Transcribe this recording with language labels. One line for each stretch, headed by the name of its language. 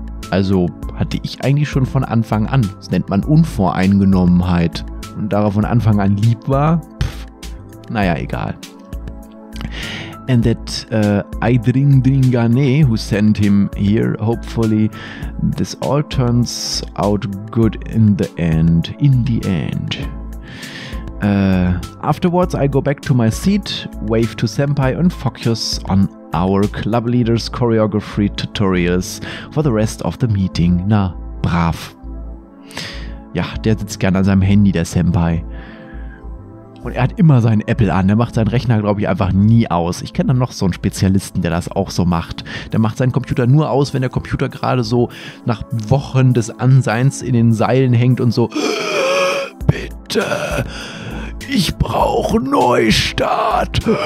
German: Also hatte ich eigentlich schon von Anfang an. Das nennt man Unvoreingenommenheit. Und da er von Anfang an lieb war, naja, egal.
English: And that Aidringdringane, who sent him here, hopefully this all turns out good in the end. In the end. Afterwards I go back to my seat, wave to Senpai and focus on our club leader's choreography tutorials for the rest of the meeting.
German: Na, brav. Ja, der sitzt gerne an seinem Handy, der Senpai. Und er hat immer seinen Apple an. Der macht seinen Rechner, glaube ich, einfach nie aus. Ich kenne dann noch so einen Spezialisten, der das auch so macht. Der macht seinen Computer nur aus, wenn der Computer gerade so nach Wochen des Anseins in den Seilen hängt und so: Bitte, ich brauche Neustart.